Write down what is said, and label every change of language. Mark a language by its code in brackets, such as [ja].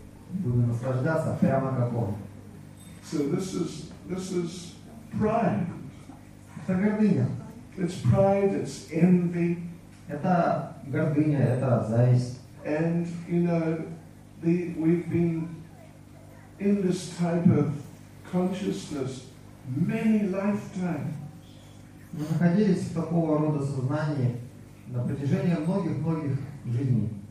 [ru] Буду наслаждаться прямо как он. [en] So this is pride. [ru] Это гордыня. [en] It's pride, it's envy. [ru] Это гордыня, это зависть. [en] And you know, we've been in this type of consciousness many lifetimes. [ru] Мы находились в такого рода сознании на протяжении многих-многих жизней.